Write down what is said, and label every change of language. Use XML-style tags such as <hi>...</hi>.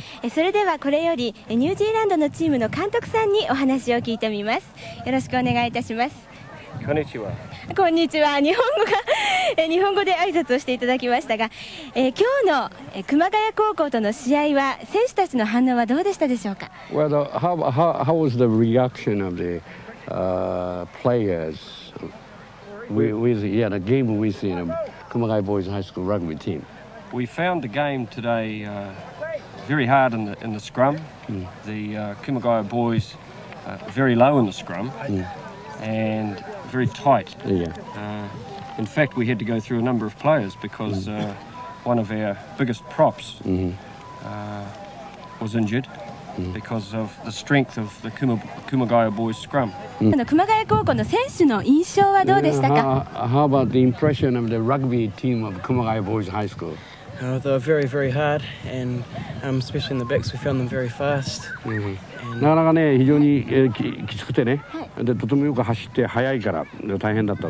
<ja>それではこれよりニュージーランドのチームの監督さんにお話を聞いてみます。よろしくお願いいたします。こんにちは。こんにちは。日本語で挨拶をしていただきましたが、今日の熊谷高校との試合は選手たちの反応はどうでしたでしょうか。</ja> <en>Well, how was the reaction of the players with yeah the game we see in Kumagaya Boys High School rugby team? We found the game today. Very hard in the scrum. Mm. The Kumagaya boys very low in the scrum and very tight. In fact, we had to go through a number of players because one of our biggest props was injured because of the strength of the Kumagaya boys scrum.</en> <ja>Kumagaya 高校の選手の印象はどうでしたか?</ja> <en>How about the impression of the rugby team of Kumagaya Boys High School? They were very, very hard, and especially in the backs, we found them very fast.</en> <ja>なかなかね、非常に、きつくてね、はい、でとてもよく走って速いから大変だったと。</ja>